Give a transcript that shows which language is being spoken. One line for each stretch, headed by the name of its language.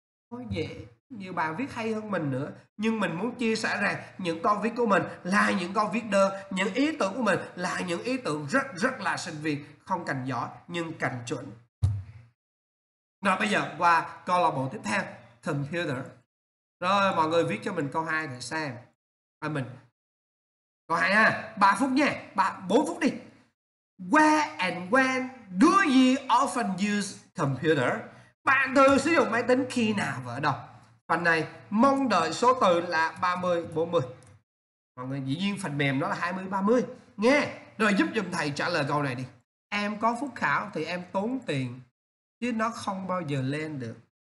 Vietnamese: Có dễ, nhiều bạn viết hay hơn mình nữa, nhưng mình muốn chia sẻ rằng những câu viết của mình là những câu viết đơ, những ý tưởng của mình là những ý tưởng rất rất là sinh viên, không cần giỏi nhưng cần chuẩn. Rồi bây giờ qua câu lạc bộ tiếp theo, computer. Rồi mọi người viết cho mình câu 2 để xem. Mình Câu 2 ha, 3 phút nha, 4 phút đi.
English: Where and when do you often use computer?
Vietnamese: Bạn thường sử dụng máy tính khi nào và ở đâu? Phần này mong đợi số từ là 30, 40. Mọi người dĩ nhiên phần mềm nó là 20, 30. Nghe, rồi giúp giùm thầy trả lời câu này đi. Em có phúc khảo thì em tốn tiền, chứ nó không bao giờ lên được.